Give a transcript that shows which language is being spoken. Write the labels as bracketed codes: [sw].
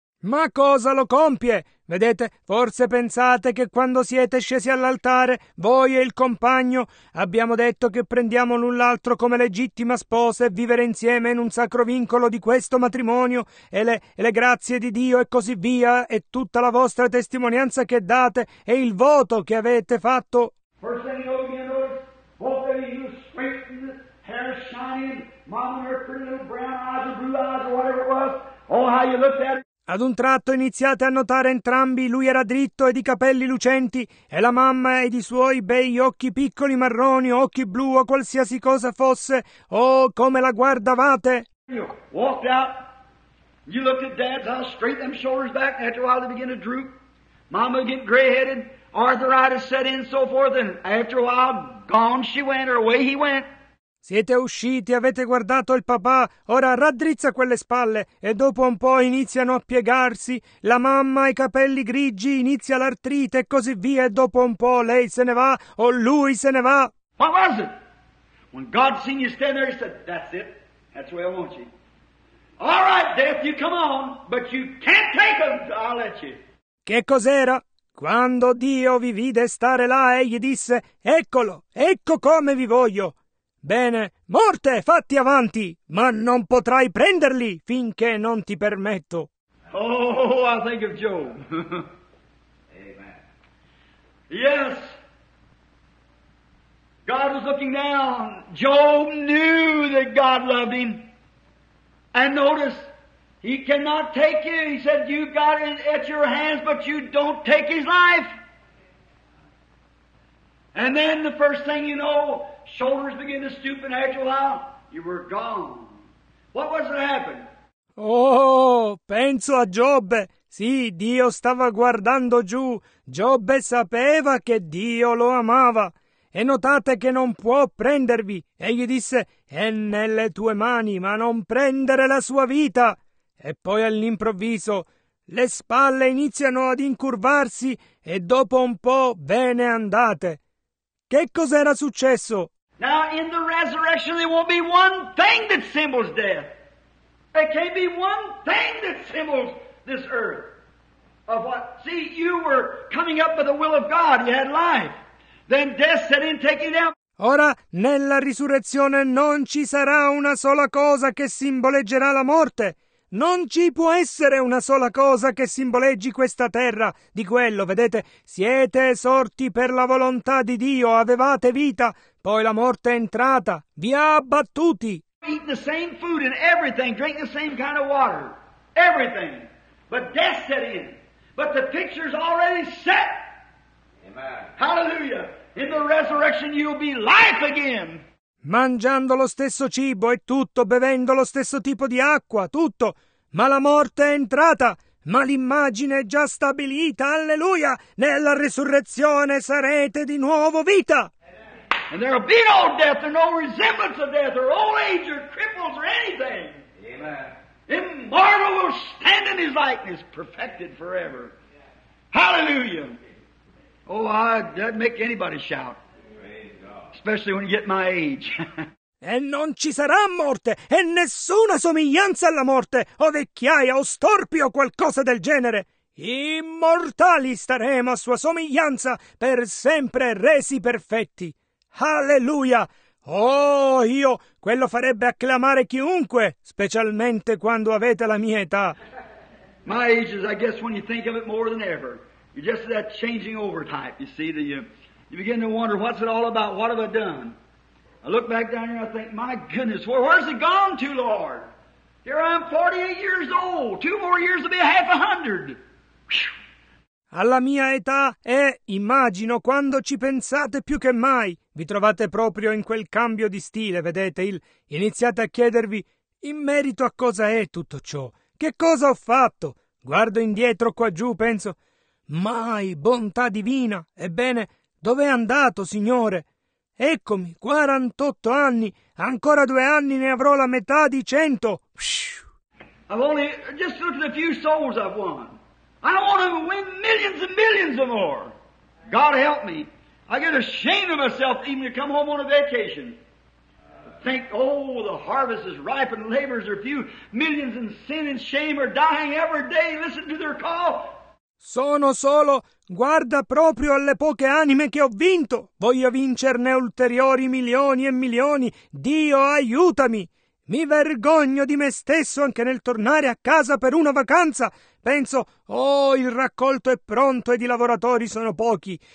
[it] Ma cosa lo compie? Vedete, forse pensate che quando siete scesi all'altare, voi e il compagno, abbiamo detto che prendiamo l'un l'altro come legittima sposa e vivere insieme in un sacro vincolo di questo matrimonio e le grazie di Dio e così via e tutta la vostra testimonianza che date e il voto che avete fatto. [en] First thing you know, both of you straight and hair shining, mom and her pretty little brown eyes or blue eyes or whatever it was, oh how you looked at it. [it] Ad un tratto iniziate a notare entrambi, lui era dritto e di capelli lucenti, e la mamma e i suoi bei occhi piccoli marroni, occhi blu o qualsiasi cosa fosse, oh, come la guardavate! [en] You walked out, you looked at dad's, I'll straighten them shoulders back, after a while they begin to droop, Mama would get gray-headed, arthritis set in, so forth, and after a while, gone she went, or away he went. [it] Siete usciti, avete guardato il papà, ora raddrizza quelle spalle e dopo un po' iniziano a piegarsi, la mamma ha i capelli grigi, inizia l'artrite e così via, e dopo un po' lei se ne va o lui se ne va. [en] What was it? When God seen you stand there, he said, that's it, that's where I want you. All right, death, you come on, but you can't take him, I'll let you. [it] Che cos'era? Quando Dio vi vide stare là, egli disse, eccolo, ecco come vi voglio. Bene, morte, fatti avanti, ma non potrai prenderli finché non ti permetto. [en] Oh, I think of Job. Amen. Yes. God was looking down. Job knew that God loved him. And notice, he cannot take you. He said, you got it at your hands, but you don't take his life. And then the first thing you know, shoulders begin to stoop, and after a while, you were gone. What was it happened? [it] Oh, penso a Giobbe. Sì, Dio stava guardando giù. Giobbe sapeva che Dio lo amava. E notate che non può prendervi. Egli disse, è nelle tue mani, ma non prendere la sua vita. E poi all'improvviso, le spalle iniziano ad incurvarsi e dopo un po' ve ne andate. Che cos'era successo? [en] Now in the resurrection there won't be one thing that symbols death. There can't be one thing that symbols this earth. Of what? See, you were coming up by the will of God. You had life. Then death set in, taking out. [it] Ora nella risurrezione non ci sarà una sola cosa che simboleggerà la morte. Non ci può essere una sola cosa che simboleggi questa terra. Di quello, vedete, siete sorti per la volontà di Dio, avevate vita, poi la morte è entrata, vi ha abbattuti. [en] Eat the same food and everything, drink the same kind of water, everything. But death set in. But the picture's already set. Amen. Hallelujah. In the resurrection you'll be life again. [it] Mangiando lo stesso cibo e tutto, bevendo lo stesso tipo di acqua, tutto. Ma la morte è entrata, ma l'immagine è già stabilita, alleluia! Nella risurrezione sarete di nuovo vita! [en] And there will be no death, or no resemblance of death, or old age, or cripples, or anything. Amen. Immortal will stand in his likeness, perfected forever. Hallelujah! Oh, that'd make anybody shout. Especially when you get my age. [it] E non ci sarà morte, e nessuna somiglianza alla morte, o vecchiaia, o storpi, o qualcosa del genere. Immortali staremo a sua somiglianza, per sempre resi perfetti. Alleluia! Oh, io, quello farebbe acclamare chiunque, specialmente quando avete la mia età. [en] My age is, I guess, when you think of it more than ever. You're just that changing over type, you see, that you... You begin to wonder, what's it all about? What have I done? I look back down here and I think, my goodness, where's it gone to, Lord? Here I'm 48 years old. Two more years will be a half a hundred. [it] Alla mia età è, immagino, quando ci pensate più che mai, vi trovate proprio in quel cambio di stile, vedete, iniziate a chiedervi, in merito a cosa è tutto ciò? Che cosa ho fatto? Guardo indietro qua giù, penso, mai, bontà divina, ebbene... Dov'è andato, Signore? Eccomi, 48 anni. Ancora 2 anni ne avrò la metà di 100. [en] I've only just looked at a few souls I've won. I don't want to win millions and millions of more. God help me. I get ashamed of myself even to come home on a vacation. Think, oh, the harvest is ripe and labors are few. Millions in sin and shame are dying every day. Listen to their call. [it] Sono solo, guarda proprio alle poche anime che ho vinto. Voglio vincerne ulteriori milioni e milioni. Dio, aiutami. Mi vergogno di me stesso anche nel tornare a casa per una vacanza. Penso, oh, il raccolto è pronto ed i lavoratori sono pochi.